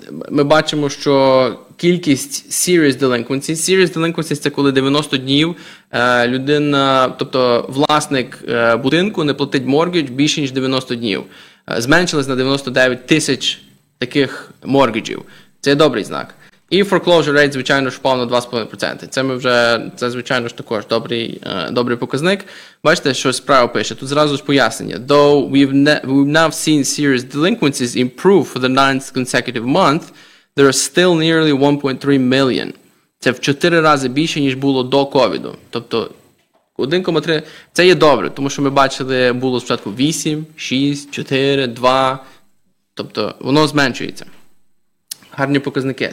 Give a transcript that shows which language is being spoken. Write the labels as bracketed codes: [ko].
[uk] Ми бачимо, що кількість serious delinquency це коли 90 днів людина, тобто власник будинку не платить моргідж більше ніж 90 днів. Зменшилось на 99 тисяч таких моргіджів. Це добрий знак. І foreclosure rate, звичайно ж, впав на 2.5%. Це звичайно ж також добрий показник. Бачите, що справа пише. Тут зразу ж пояснення. [en] Though we've now seen serious delinquencies improve for the ninth consecutive month, there are still nearly 1.3 million. [uk] Це в 4 рази більше, ніж було до ковіду. Тобто, 1.3... Це є добре, тому що ми бачили, було спочатку 8, 6, 4, 2. Тобто, воно зменшується. Гарні показники.